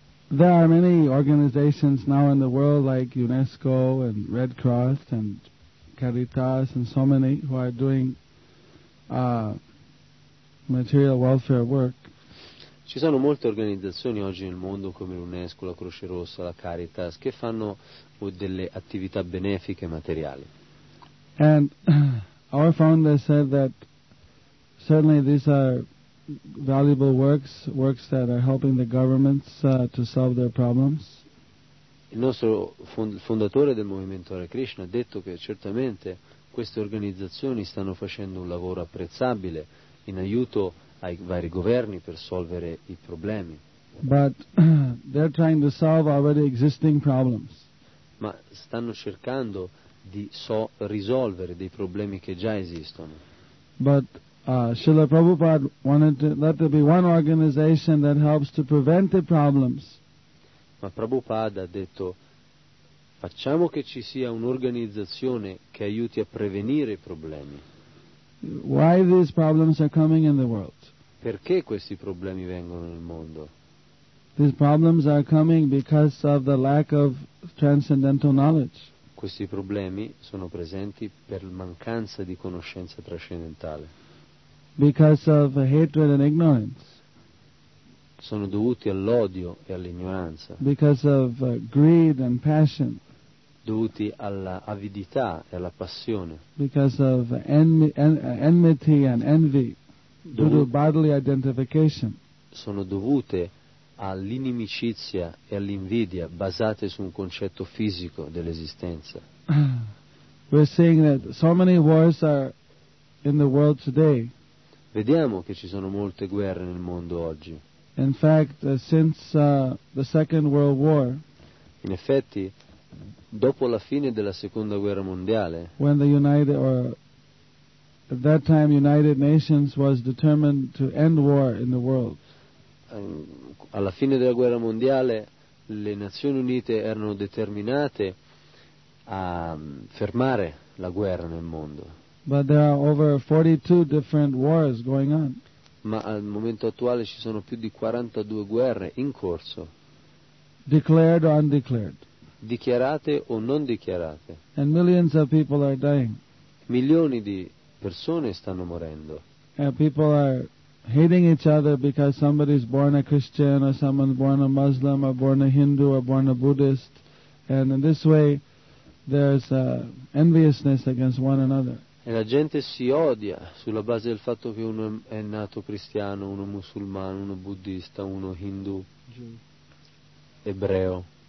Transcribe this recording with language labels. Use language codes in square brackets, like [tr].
[en] There are many organizations now in the world like UNESCO and Red Cross and Caritas and so many who are doing material welfare work. [it] Ci sono molte organizzazioni oggi nel mondo come l'UNESCO, la Croce Rossa, la Caritas, che fanno delle attività benefiche materiali. [en] And our founder said that certainly these are valuable works that are helping the governments to solve their problems. [it] Il nostro fondatore del movimento Hare Krishna ha detto che certamente queste organizzazioni stanno facendo un lavoro apprezzabile in aiuto ai vari governi per risolvere i problemi. [en] But they're trying to solve already existing problems. [it] Ma stanno cercando di risolvere dei problemi che già esistono. [en] But Srila Prabhupada wanted to let there be one organization that helps to prevent the problems. [it] Ma Prabhupada ha detto: facciamo che ci sia un'organizzazione che aiuti a prevenire i problemi. [en] Why these problems are coming in the world? [it] Perché questi problemi vengono nel mondo? [en] These problems are coming because of the lack of transcendental knowledge. [it] Questi problemi sono presenti per mancanza di conoscenza trascendentale. [en] Because of hatred and ignorance. [it] Sono dovuti all'odio e all'ignoranza. [en] Because of greed and passion. [it] Dovuti all'avidità e alla passione. [en] Because of enmity and envy. Due bodily identification. [it] Sono dovute all'inimicizia e all'invidia basate su un concetto fisico dell'esistenza. [en] We're seeing that so many wars are in the world today. [it] Vediamo che ci sono molte guerre nel mondo oggi. [en] In fact, since the Second World War. [it] In effetti, dopo la fine della Seconda Guerra Mondiale. [en] When the United or at that time United Nations was determined to end war in the world. [it] Alla fine della guerra mondiale le Nazioni Unite erano determinate a fermare la guerra nel mondo. [en] But there are over 42 different wars going on. [it] Ma al momento attuale ci sono più di 42 guerre in corso. [en] Declared or undeclared. [it] Dichiarate o non dichiarate. [en] And millions of people are dying. [it] Milioni di persone stanno morendo. [en] And people are hating each other because somebody's born a Christian or someone's born a Muslim or born a Hindu or born a Buddhist, and in this way there's enviousness against one another. [it] E la gente si odia sulla base del fatto che uno è nato cristiano, uno musulmano, uno buddista, uno hindu, ebreo.